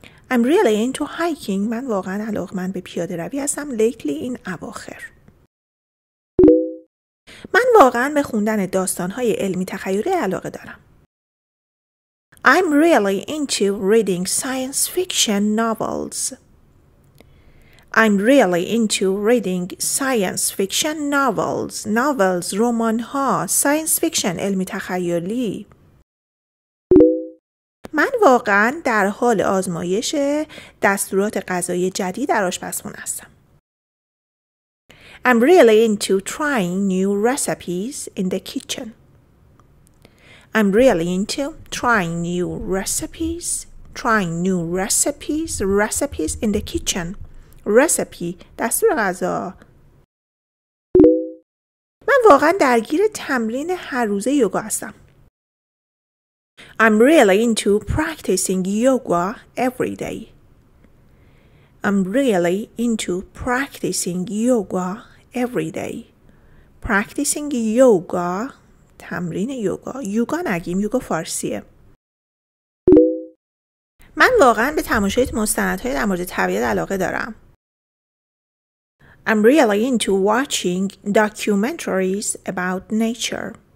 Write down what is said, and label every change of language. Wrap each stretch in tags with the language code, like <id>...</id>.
<en>I'm really into hiking.</en> <fa>من واقعا علاقمند به پیاده روی هستم lately این اواخر. من واقعا به خوندن داستان‌های علمی تخیلی علاقه دارم.</fa> <en>I'm really into reading science fiction novels. I'm really into reading science fiction novels.</en> <fa>Novels رمان‌ها،</fa> <en>science fiction</en> <fa>علمی تخیلی. من واقعا در حال آزمایش دستورات غذایی جدید در آشپزخونه هستم.</fa> <en>I'm really into trying new recipes in the kitchen. I'm really into trying new recipes. Trying new recipes. Recipes in the kitchen. Recipe.</en> <fa>دستور غذا. من واقعا درگیر تمرین هر روزه یوگا هستم.</fa> <en>I'm really into practicing yoga every day. I'm really into practicing yoga every day. Practicing yoga,</en> <fa>تمرین یوگا. یوگا نگیم یوگا فارسیه. من واقعا به تماشای مستندهای در مورد طبیعت علاقه دارم.</fa> <en>I'm really into watching documentaries about nature.</en>